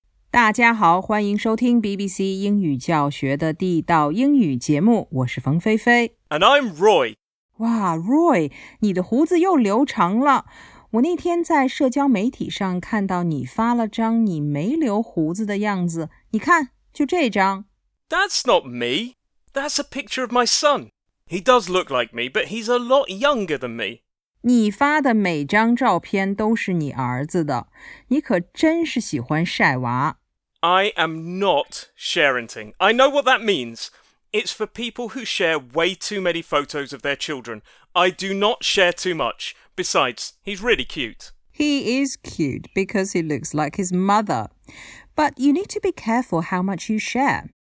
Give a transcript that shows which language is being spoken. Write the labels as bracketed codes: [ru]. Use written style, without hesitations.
[zh] 大家好，欢迎收听 BBC 英语教学的地道英语节目，我是冯菲菲。 [en] And I'm Roy. [zh] 哇 ,Roy, 你的胡子又留长了。我那天在社交媒体上看到你发了张你没留胡子的样子，你看，就这张。 [en] That's not me. That's a picture of my son. He does look like me, but he's a lot younger than me. [zh] 你发的每张照片都是你儿子的，你可真是喜欢晒娃。 [en] I am not sharenting. I know what that means. It's for people who share way too many photos of their children. I do not share too much. Besides, he's really cute. He is cute because he looks like his mother. But you need to be careful how much you share.